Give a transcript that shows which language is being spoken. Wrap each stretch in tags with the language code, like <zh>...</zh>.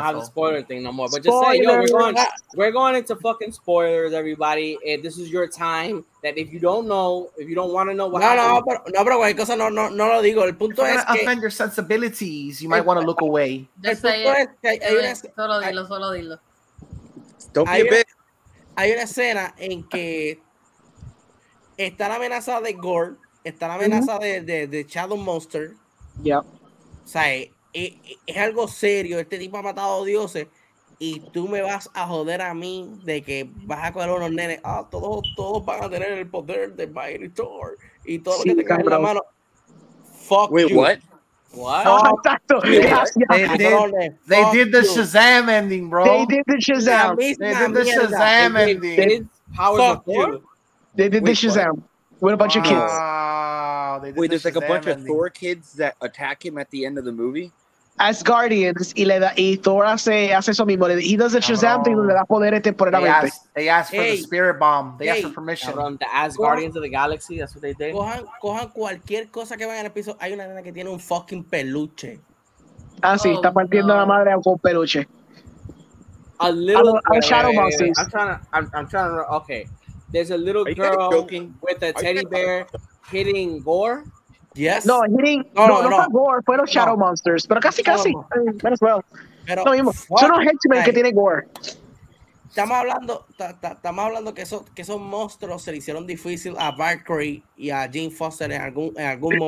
<en>I have the spoiler thing no more. But spoiler. Just say, yo, we're going into fucking spoilers, everybody. If this is your time. That if you don't know, if you don't want to know what</en> <es>happened. No, pero cualquier cosa no lo digo. El punto es que...</es> <en>If you offend your sensibilities, you might want to look away. Just say it.</en> <es>Solo dilo.</es> <en>Don't be a bitch.</en> <es>Hay una escena en que está la amenaza de Gore, está la amenaza de Shadow Monster.</es> <en>Yep.</en> <es>O sea, es algo serio. Este tipo ha matado dioses. Y tú me vas a joder a mí de que vas a coger a unos nenes. Ah, todos van a tener el poder de Mighty Thor. Y todo sí, lo que te cae en la mano.</es> <en>Fuck Wait, you. What? What?</en> <es>Oh, exacto.</es> <en>They did the Shazam ending, bro. They did the Shazam. They did the Shazam. With a bunch of kids. Wow. Wait, there's like a bunch of Thor kids that attack him at the end of the movie?</en> <es>As Guardians, y le da y Thor hace eso mismo.</es> <en>He does the Shazam thing,</en> <es>le da poderes temporalmente.</es> <en>They ask for the spirit bomb. They ask for permission. The As Guardians of the Galaxy, that's what they did.</en> <es>Cojan cualquier cosa que vayan al piso. Hay una nena que tiene un fucking peluche. Ah, sí, está partiendo la madre con peluche.</es> <en>A little girl. Shadow Monsters. I'm trying to, okay. There's a little girl with a teddy bear hitting Gore. Yes. No, hitting.</en> <es>No, Gore. Fueron Shadow Monsters. Pero casi. Menos well. Pero, no, son los henchmen que tiene Gore. Estamos hablando que esos monstruos se le hicieron difícil a Valkyrie y a Jim Foster en algún momento.</es>